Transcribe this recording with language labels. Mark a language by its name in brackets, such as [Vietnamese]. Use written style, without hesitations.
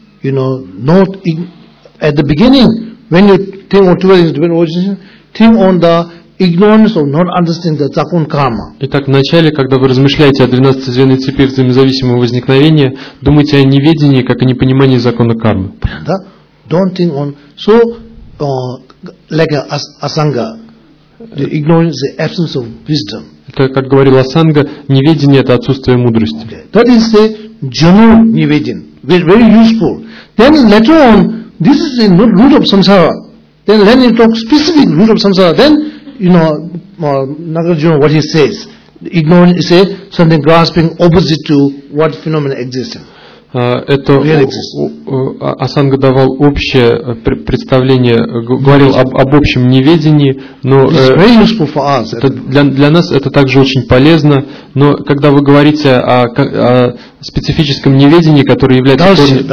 [English] You know, not at the beginning, when you think of two things, think on the ignorance of not understanding the [Russian] закон карма. Итак, в начале, когда вы размышляете о 12 звеньях цепи взаимозависимого возникновения, думайте о неведении, как о непонимании закона кармы. Понял, да? [English] Don't think on... So, like asanga. The ignorance is the absence of wisdom. [Russian] Это, как говорила Санга, неведение – это отсутствие мудрости. [English] That is the general неведение. Very useful. Then later on, this is the root of samsara. Then when you talk specific root of samsara, then, you know, Nagarjuna, what he says. Ignorance is something grasping opposite to what phenomena exists. [Russian] Это Асанга давал общее представление, говорил об общем неведении, но для нас это также очень полезно, но когда вы говорите о специфическом неведении, которое является...